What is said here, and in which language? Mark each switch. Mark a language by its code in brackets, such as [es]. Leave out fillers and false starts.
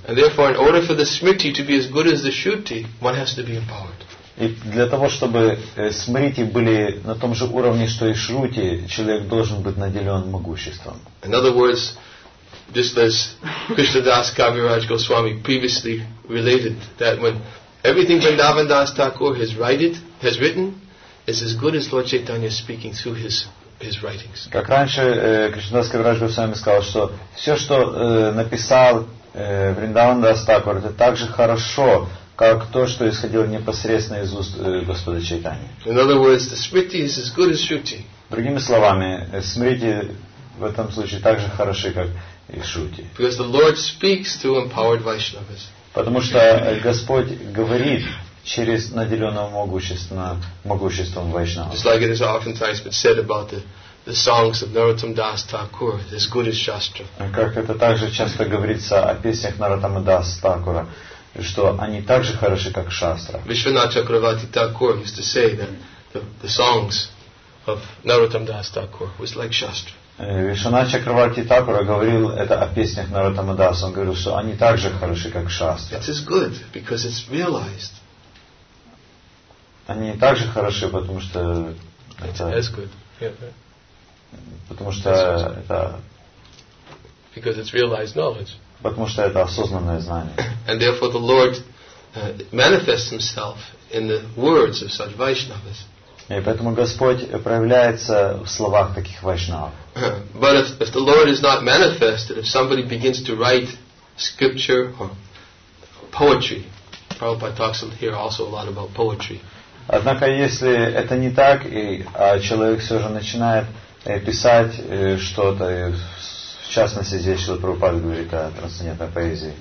[en] And therefore, in order for the smriti to be as good as the shruti, one has to be empowered. [ru] И для того, чтобы смрити были на том же уровне, что и шрути, человек должен быть наделен могуществом. [en] In other words, just as Krishnadas Kaviraj Goswami previously related, that when everything Vrindavan Das Thakur has written, is as good as Lord Chaitanya speaking through his writings. [ru] Как раньше Кришнадас Кавираджа Госвами сказал, что все, что написал Вриндаван Дас Такур, это так же хорошо, как то, что исходило непосредственно из уст Господа Чайтани. [en] In other words, the smriti is as good as shruti. [ru] Другими словами, смрити в этом случае так же хороши, как и шрути. [en] Because the Lord speaks to empowered Vaishnavas. [ru] Потому что Господь говорит через наделенного могуществом вайшнава. [en] Just like it has oftentimes been said about the songs of Narottam Das Thakur, as good as Shastra. [ru] Как это также часто говорится о песнях Narottama Das Thakura, что они так же хороши, как Шастра. [en] Vishwanath Chakravarti Thakur used to say that the songs of Narottam Das Thakur was like Shastra. [ru] Вишванат Чакраварти Такура говорил это о песнях Narottama Das. Он говорил, что они так же хороши, как Шастра. [en] It's as good, because it's realized. [ru] Они так же хороши, потому что это... [en] That's good. Yeah. [ru] Потому что это... [en] Because it's realized knowledge. [ru] Потому что это осознанное знание. [en] And therefore the Lord manifests himself in the words of such Vaishnavas. [ru] И поэтому Господь проявляется в словах таких вайшнав. [en] But if the Lord is not manifested, if somebody begins to write scripture or poetry, Prabhupada talks here also a lot about poetry. [ru] Однако, если это не так, а человек все же начинает писать что-то, в частности, здесь Шрила Прабхупада говорит о трансцендентной поэзии,